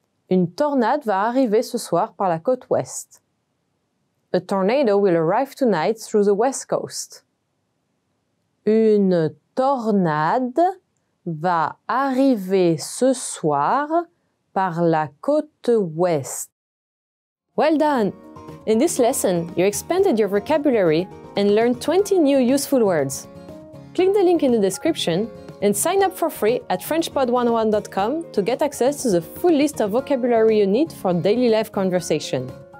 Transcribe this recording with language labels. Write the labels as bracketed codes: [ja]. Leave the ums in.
[fr] Une tornade va arriver ce soir par la côte ouest. [en] A tornado will arrive tonight through the west coast. [fr] Une tornade va arriver ce soir par la côte ouest. [en] Well done! In this lesson, you expanded your vocabulary and learned 20 new useful words. Click the link in the description and sign up for free at FrenchPod101.com to get access to the full list of vocabulary you need for daily life conversation.